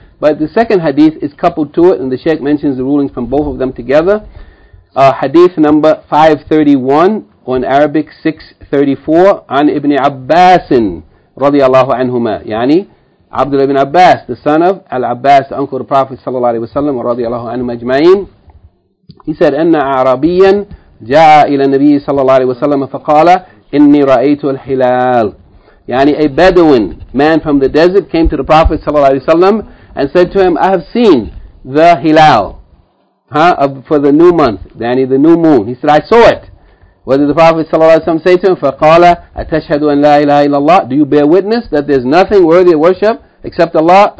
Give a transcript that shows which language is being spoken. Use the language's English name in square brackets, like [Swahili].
[English] But the second hadith is coupled to it, and the Shaykh mentions the rulings from both of them together. Hadith number 531, or in Arabic 634, [Arabic] عن ابن عباس رضي الله عنهما, [English] يعني Abdullah ibn Abbas, the son of Al-Abbas, the uncle of the Prophet sallallahu alayhi wa sallam, [Arabic] رضي الله عنهما اجمعين. [English] He said, [Arabic] أَنَّ عَرَبِيًّا جَاءَ إِلَى النَّبِيِّ صَلَّى اللَّهُ عَلَيْهِ وَسَلَّمَ فَقَالَ إِنِّي رَأَيْتُ الْحِلَالِ. [English] يعني a Bedouin, man from the desert, came to the Prophet sallallahu alayhi wa sallam and said to him, I have seen the hilal, for the new month, يعني the new moon. He said, I saw it. What did the Prophet sallallahu alayhi wa sallam say to him? [Arabic] فَقَالَ أَتَشْهَدُ أَنْ لَا إِلَهَ إِلَّا اللَّهِ. [English] Do you bear witness that there's nothing worthy of worship except Allah?